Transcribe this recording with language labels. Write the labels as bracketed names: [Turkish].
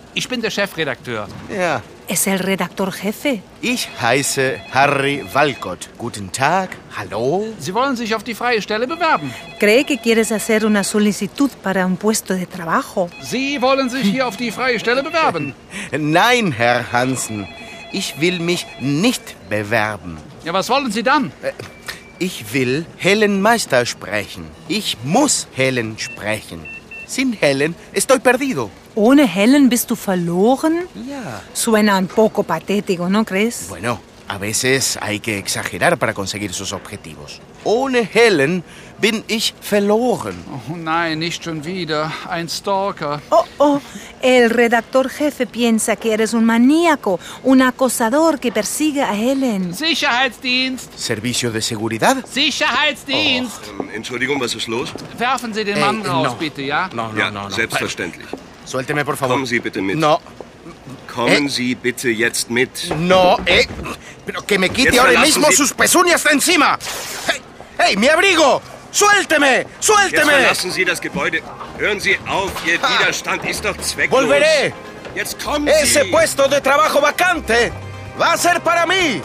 [German] Ich bin der Chefredakteur. Ja. [Spanish] Es el redactor jefe. [German] Ich heiße Harry Walcott. Guten Tag. Hallo. Sie wollen sich auf die freie Stelle bewerben. [Spanish] Cree que quieres hacer una solicitud para un puesto de trabajo. [German] Sie wollen sich hier auf die freie Stelle bewerben. Nein, Herr Hansen. Ich will mich nicht bewerben. Ja, was wollen Sie dann? Ich will Helen Meister sprechen. Ich muss Helen sprechen. [Spanish] Sin Helen estoy perdido. [German] ¿Ohne Helen bist du verloren? Ja. [Spanish] Suena un poco patético, ¿no crees? Bueno, a veces hay que exagerar para conseguir sus objetivos. [German] Ohne Helen bin ich verloren. Oh nein, nicht schon wieder. Ein Stalker. Oh, oh. [Spanish] El redactor jefe piensa que eres un maníaco, un acosador que persigue a Helen. [German] Sicherheitsdienst. [Spanish] ¿Servicio de seguridad? [German] Sicherheitsdienst. Oh. Entschuldigung, was ist los? Werfen Sie den Mann raus, bitte, ja? [Spanish] No. [German] Selbstverständlich. [Spanish] Suélteme, por favor. [German] Kommen Sie bitte mit. [Spanish] No. [German] Kommen Sie bitte jetzt mit. [Spanish] No, Pero que me quite ahora mismo sus pezuñas de encima. Hey, mi abrigo. Suélteme. [German] Jetzt verlassen Sie das Gebäude. Hören Sie auf, Ihr Widerstand ist doch zwecklos. [Spanish] Volveré. [German] Jetzt kommen Sie. [Spanish] Ese puesto de trabajo vacante va a ser para mí.